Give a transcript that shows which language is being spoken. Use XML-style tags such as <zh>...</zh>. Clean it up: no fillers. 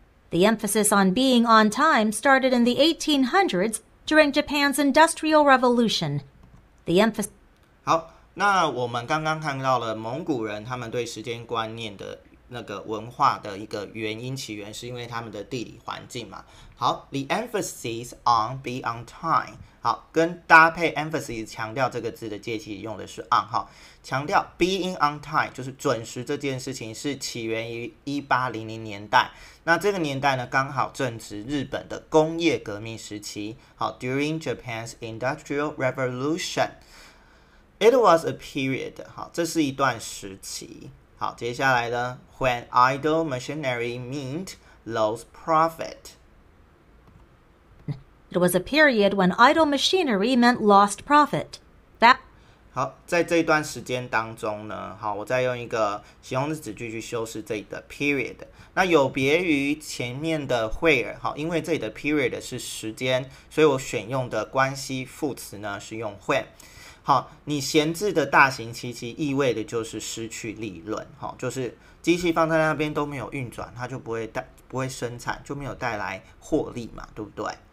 <en>The emphasis on being on time started in the 1800s during Japan's Industrial Revolution. The emphasis.</en> <zh>好，那我们刚刚看到了蒙古人他们对时间观念的那个文化的一个原因起源，是因为他们的地理环境嘛。好 ，</zh> <en>the emphasis on be on time。</en> <zh>好，跟搭配 emphasis 强调这个字的介系用的是 on 哈，强调</zh> <en>being on time</en> <zh>就是准时这件事情是起源于1800年代。那这个年代呢，刚好正值日本的工业革命时期。好 ，</zh> <en>during Japan's Industrial Revolution， It was a period.</en> <zh>好，这是一段时期。好，接下来呢</zh> <en>？When idle machinery meant lost profit. It was a period when idle machinery meant lost profit.</en> <zh>好，在这段时间当中呢，好，我再用一个形容词句去修饰这里的 period。那有别于前面的 where， 好，因为这里的 period 是时间，所以我选用的关系副词呢是用 when。好，你闲置的大型机器意味的就是失去利润，好，就是机器放在那边都没有运转，它就不会生产，就没有带来获利嘛，对不对？</zh>